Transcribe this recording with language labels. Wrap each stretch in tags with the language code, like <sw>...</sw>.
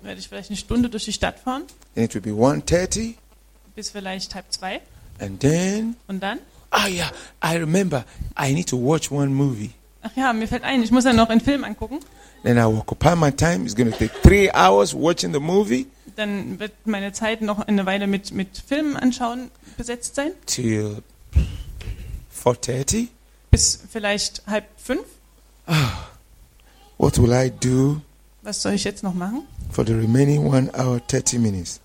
<de>Werde ich vielleicht eine Stunde durch die Stadt fahren.</de> <en>Then it will be 1:30.</en> <de>Bis vielleicht 2:30.</de> <en>And then.</en> <de>Und dann?</de> <en>Ah yeah, I remember. I need to watch one movie.</en> <de>Ach ja, mir fällt ein, ich muss ja noch einen Film angucken.</de> <en>Then I will occupy my time. It's going to take 3 hours watching the movie.</en> <de>Dann wird meine Zeit noch eine Weile mit Filmen anschauen besetzt sein.</de> <en>Till 4:30.</en> <de>Bis vielleicht 4:30.</de> <en>Oh. What will I do?</en> <de>Was soll ich jetzt noch machen?</de> <en>For the remaining 1 hour 30 minutes.</en>